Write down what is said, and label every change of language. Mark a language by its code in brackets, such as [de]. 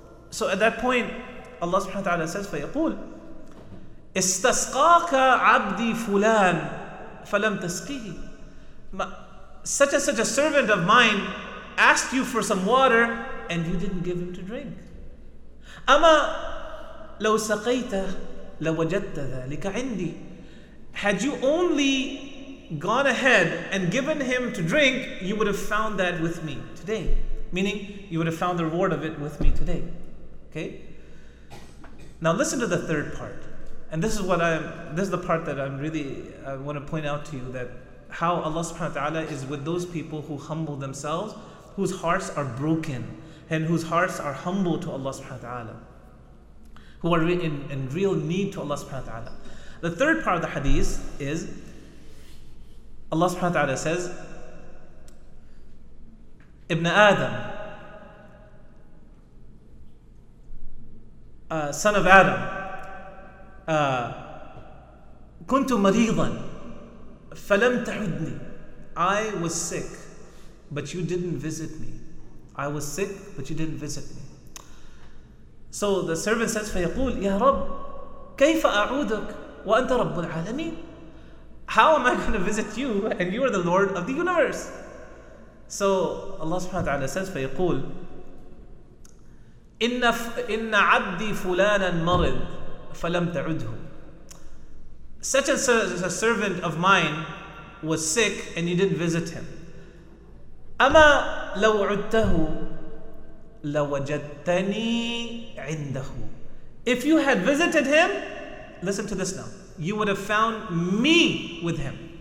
[en] So at that point Allah subhanahu wa ta'ala says, [ar] فيقول استسقاك عبدي فلان فلم تسقيه. [en] Such and such a servant of mine asked you for some water and you didn't give him to drink. [ar] أما لو سقيت لوجدت ذلك عندي. [en] Had you only gone ahead and given him to drink, you would have found that with me today. Meaning, you would have found the reward of it with me today. Okay? Now listen to the third part. And this is the part that I want to point out to you, that how Allah subhanahu wa ta'ala is with those people who humble themselves, whose hearts are broken, and whose hearts are humble to Allah subhanahu wa ta'ala, who are in real need to Allah subhanahu wa ta'ala. The third part of the hadith is, Allah subhanahu wa ta'ala says, Ibn Adam, son of Adam, [ar] kuntu maridan, falam tahudni. [en] I was sick, but you didn't visit me. I was sick, but you didn't visit me. So the servant says, [ar] فَيَقُولْ يَا رَبْ كَيْفَ أَعُودُكَ وَأَنْتَ رَبُّ الْعَالَمِينَ. [en] How am I going to visit you and you are the Lord of the universe? So Allah subhanahu wa ta'ala says, [ar] فَيَقُولْ إِنَّ عَبْدِي فُلَانًا مَرِضْ فَلَمْ تَعُدْهُ. [en] Such as a servant of mine was sick and you didn't visit him. [ar] أَمَا لَوْ عُدْتَهُ لَوَجَدْتَنِي عِنْدَهُ. [en] If you had visited him, listen to this now, you would have found me with him.